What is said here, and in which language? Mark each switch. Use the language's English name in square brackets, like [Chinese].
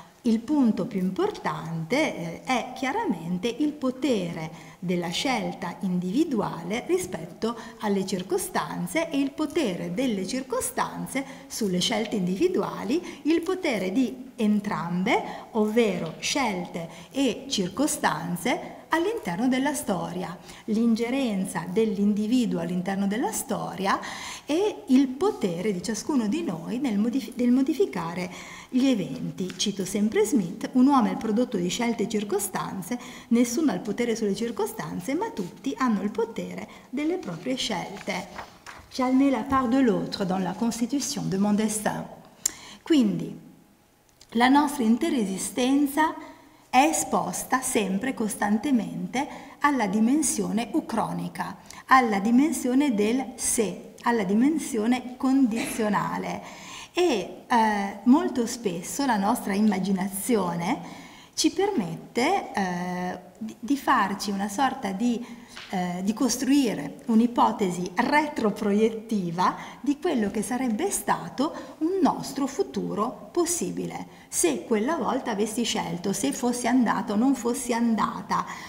[Italian] Il punto più importante è chiaramente il potere della scelta individuale rispetto alle circostanze e il potere delle circostanze sulle scelte individuali, il potere di entrambe, ovvero scelte e circostanze, all'interno della storia, l'ingerenza dell'individuo all'interno della storia e il potere di ciascuno di noi nel modificare gli eventi. Cito sempre Schmitt: un uomo è il prodotto di scelte e circostanze, nessuno ha il potere sulle circostanze, ma tutti hanno il potere delle proprie scelte. [French] J'admets la part de l'autre dans la constitution de mon destin. [Italian] Quindi, la nostra intera esistenza è esposta sempre costantemente alla dimensione ucronica, alla dimensione del sé, alla dimensione condizionale. E molto spesso la nostra immaginazione ci permette di farci una sorta di costruire un'ipotesi retroproiettiva di quello che sarebbe stato un nostro futuro possibile, se quella volta avessi scelto, se fossi andato o non fossi andata.